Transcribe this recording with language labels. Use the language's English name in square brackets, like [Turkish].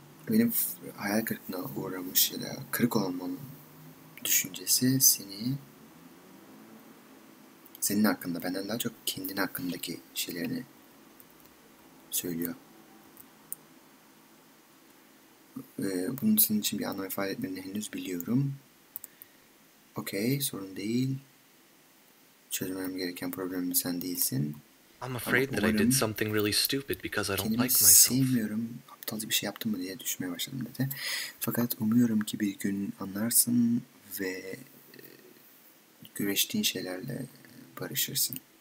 [Turkish] Benim hayal kırıklığına uğramış ya da kırık olmam düşüncesi senin hakkında, benden daha çok kendin hakkındaki şeylerini söylüyor. Bunun senin için bir anlam ifade etmediğini henüz biliyorum. Okey, sorun değil. Çözmem gereken problemim sen değilsin. [English] I'm afraid that I did something really stupid because I don't like myself. [Turkish] Sevmiyorum, aptalca bir şey yaptım mı diye düşünmeye başladım dedi. Fakat umuyorum ki bir gün anlarsın ve güreştiğin şeylerle barışırsın.